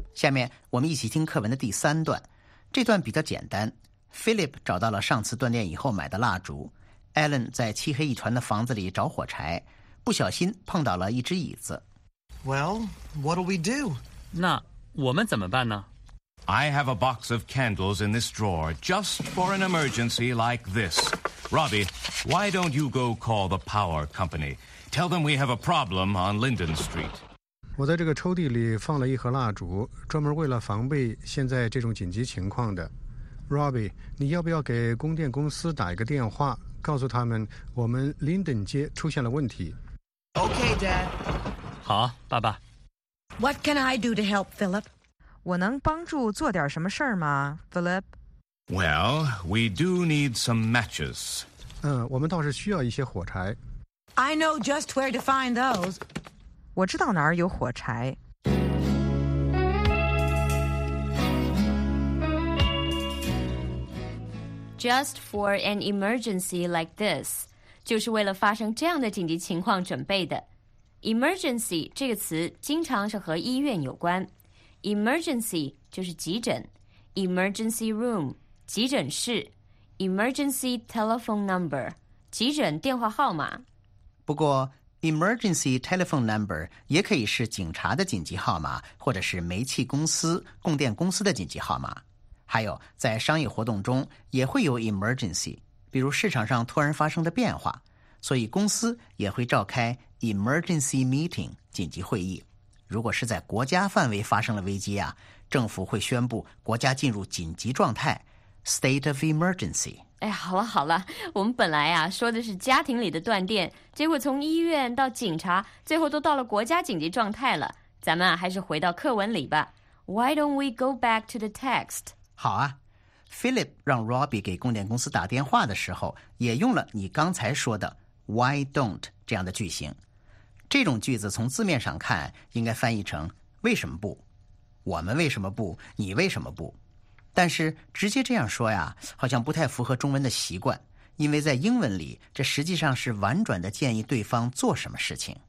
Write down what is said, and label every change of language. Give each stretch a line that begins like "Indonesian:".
Chinese: 下面我们一起听课文的第三段。这段比较简单， Philip 找到了上次断电以后买的蜡烛，Alan 在漆黑一团的房子里找火柴，不小心碰倒了一只椅子。
English: Well, what'll we do?
Chinese: 那我们怎么办呢？
English: I have a box of candles in this drawer, just for an emergency like this. Robbie, why don't you go call the power company? Tell them we have a problem on Linden Street.
Chinese: 我在这个抽屉里放了一盒蜡烛，专门为了防备现在这种紧急情况的。 Robbie, 你要不要给供电公司打一个电话？告诉他们我们林顿街出现了问题。
English: OK, Dad.
Chinese: 好，爸爸。
English: What can I do to help, Philip?
Chinese: 我能帮助做点什么事儿吗 ，Philip?
English: Well, we do need some matches.
Chinese: 我们倒是需要一些火柴。
English: I know just where to find those.
Chinese: 我知道哪儿有火柴。
English: Just for an emergency like this,
Chinese: 就是为了发生这样的紧急情况准备的。 Emergency 这个词经常是和医院有关。 Emergency 就是急诊。
English: Emergency room,
Chinese: 急诊室。
English: Emergency telephone number,
Chinese: 急诊电话号码。不过 ,
English: emergency telephone number
Chinese: 也可以是警察的紧急号码，或者是煤气公司、供电公司的紧急号码。还有在商业活动中也会有 emergency， 比如市场上突然发生的变化，所以公司也会召开
English: emergency meeting
Chinese: 紧急会议。如果是在国家范围发生了危机啊，政府会宣布国家进入紧急状态，
English: state of emergency.
Chinese: 哎，好了好了，我们本来啊说的是家庭里的断电，结果从医院到警察，最后都到了国家紧急状态了。咱们啊还是回到课文里吧。
English: Why don't we go back to the text?
Chinese: 好啊。 Philip 让 Robbie 给供电公司打电话的时候，也用了你刚才说的 why don't 这样的句型。这种句子从字面上看，应该翻译成为什么不？我们为什么不？你为什么不？但是直接这样说呀，好像不太符合中文的习惯，因为在英文里，这实际上是婉转的建议对方做什么事情。